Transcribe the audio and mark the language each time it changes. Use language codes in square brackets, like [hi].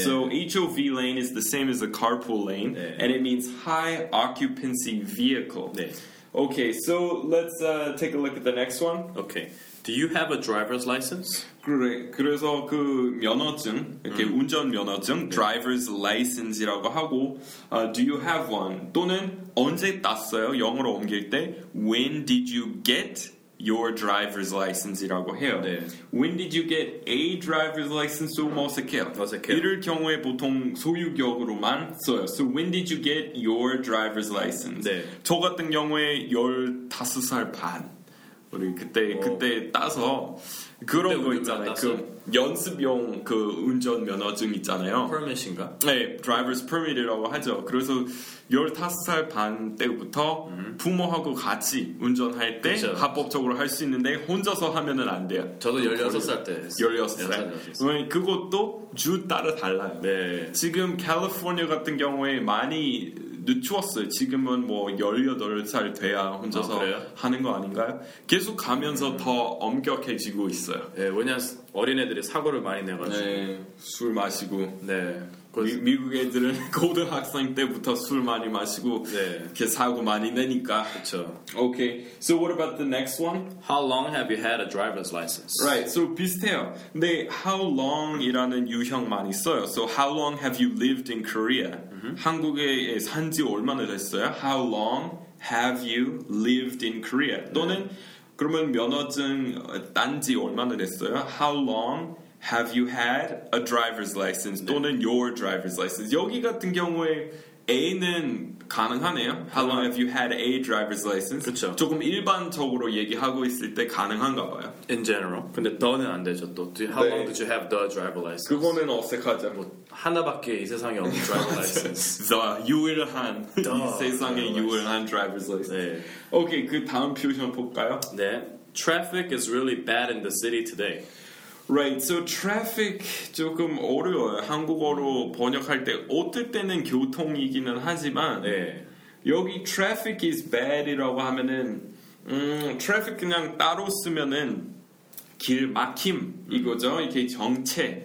[en] So HOV lane is the same as a carpool lane [ko] 네. [en] and it means high occupancy vehicle. [ko] 네. [en] Okay, so let's take a look at the next one. Okay. Do you have a driver's license? [ko] 그래, 그래서 그 면허증, 이렇게 운전면허증, okay. [en] driver's license [ko] 이라고 하고, [en] do you have one? [ko] 또는 언제 땄어요? 영어로 옮길 때, [en] when did you get your driver's license [ko] 이라고 해요. 네. [en] When did you get a driver's license? [ko] 어색해요. 이럴 경우에 보통 소유격으로만 써요. [en] So when did you get your driver's license? [ko] 네. 저 같은 경우에 15살 반. 우리 그때 따서 그런 거 있잖아요. 그 연습용 그 운전 면허증 있잖아요. Permit인가? 네, driver's permit이라고 하죠. 그래서 15살 반 때부터 부모하고 같이 운전할 때 그쵸. 합법적으로 할 수 있는데 혼자서 하면은 안 돼요. 저도 16살 때 16살. 왜 그것도 주 따라 달라요. 네. 지금 캘리포니아 같은 경우에 많이 늦추었어요. 지금은 뭐 18살 돼야 혼자서 아, 하는 거 아닌가요? 계속 가면서 더 엄격해지고 있어요. 예, 네, 왜냐 어린애들이 사고를 많이 내가지고 네, 술 마시고 네. 미국 애들은 고등학생 때부터 술 많이 마시고 네. 이렇게 사고 많이 내니까 그렇죠. [en] Okay, so what about the next one? How long have you had a driver's license? Right, so [ko] 비슷해요. 근데 how long이라는 유형 많이 써요. [en] So how long have you lived in Korea? Mm-hmm. [ko] 한국에 산 지 얼마나 됐어요? [en] How long have you lived in Korea? 또는 [ko] 네. 그러면 면허증 딴 지 얼마나 됐어요? [en] How long have you had a driver's license [ko] 네. [en] 또는 your driver's license. [ko] 여기 같은 경우에 A는 가능하네요. [en] How long have you had a driver's license? [ko] 그쵸. 조금 일반적으로 얘기하고 있을 때 가능한가 봐요. [en] In general. [ko] 근데 더는 안 되죠. 또. How 네. [en] long did you have the driver license? [ko] 그거는 어색하죠. 뭐 하나밖에 이 세상에 없는 driver license. The 유일한 이 세상에 유일한 driver's license. 네. Okay, 그 다음 표현 볼까요? 네. [en] Traffic is really bad in the city today. Right, so [ko] traffic 조금 어려워요. 한국어로 번역할 때 어떨 때는 교통이기는 하지만 네. 여기 [en] traffic is bad [ko] 이라고 하면은 traffic 그냥 따로 쓰면은 길 막힘 이거죠. 이렇게 정체에